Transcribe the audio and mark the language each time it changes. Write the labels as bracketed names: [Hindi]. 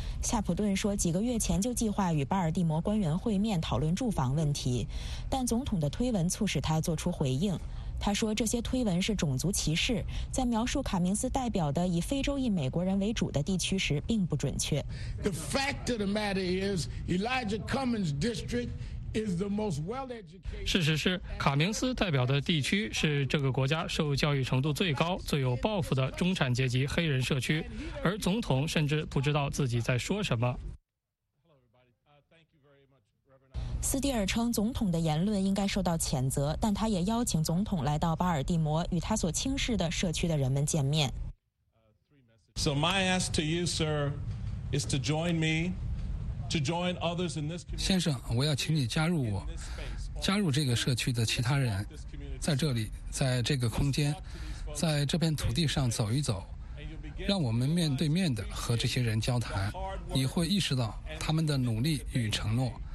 [Chinese] 夏普顿说，几个月前就计划与巴尔的摩官员会面讨论住房问题，但总统的推文促使他做出回应。他说，这些推文是种族歧视，在描述卡明斯代表的以非洲裔美国人为主的地区时并不准确。 [English] The fact of the matter is, Elijah Cummings' district is the most well-educated. [Chinese] 事实是，卡明斯代表的地区是这个国家受教育程度最高、最有抱负的中产阶级黑人社区，而总统甚至不知道自己在说什么。斯蒂尔称，总统的言论应该受到谴责，但他也邀请总统来到巴尔的摩，与他所轻视的社区的人们见面。 [English] So my ask to you, sir, is to join me, to join others in this community. [Chinese] 先生，我要请你加入我，加入这个社区的其他人，在这里，在这个空间，在这片土地上走一走，让我们面对面的和这些人交谈，你会意识到他们的努力与承诺。